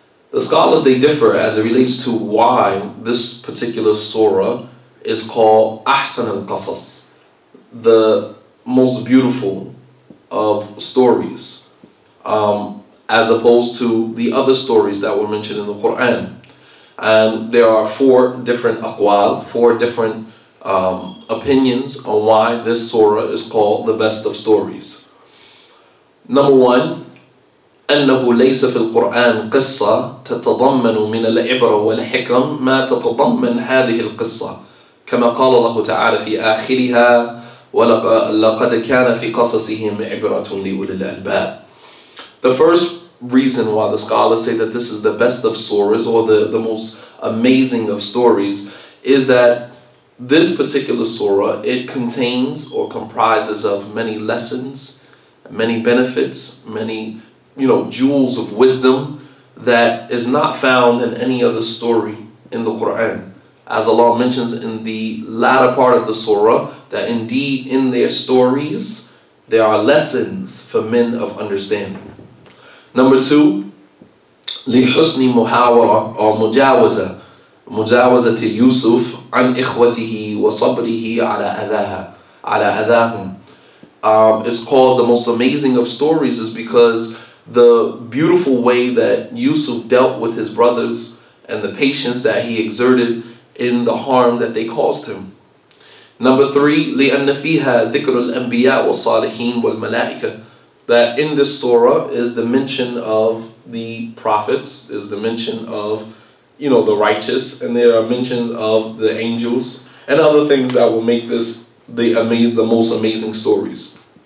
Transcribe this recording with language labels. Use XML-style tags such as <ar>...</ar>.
<en>The scholars, they differ as it relates to why this particular surah is called Ahsan al-Qasas, the most beautiful of stories, as opposed to the other stories that were mentioned in the Quran. And there are four different aqwal, four different opinions on why this surah is called the best of stories. Number one,</en> <ar>أنه ليس في القرآن قصة تتضمن من العبرة والحكم ما تتضمن هذه القصة كما قال الله تعالى في آخرها ولقد كان في قصصهم عبرة لأولي الألباب.</ar> <en>The first reason why the scholars say that this is the best of stories, or the most amazing of stories, is that this particular surah, it contains or comprises of many lessons, many benefits, many, you know, jewels of wisdom that is not found in any other story in the Quran. As Allah mentions in the latter part of the surah, that indeed in their stories, there are lessons for men of understanding. Number two,</en> <ar>لِحُسْنِ مُحَاوَرَةٍ أَوْ مُجَاوَزَةٍ مُجَاوَزَةِ يُوسُفْ عَنْ إِخْوَتِهِ وَصَبْرِهِ عَلَى أَذَاهُمْ.</ar> <en>It's called the most amazing of stories is because the beautiful way that Yusuf dealt with his brothers and the patience that he exerted in the harm that they caused him. Number three,</en> <ar>لِأَنَّ فِيهَا ذِكْرُ الْأَنْبِيَاءِ وَالصَّالِحِينَ وَالْمَلَائِكَةِ,</ar> <en>that in this surah is the mention of the prophets, is the mention of, you know, the righteous, and there are mentions of the angels and other things that will make this the most amazing stories.</en>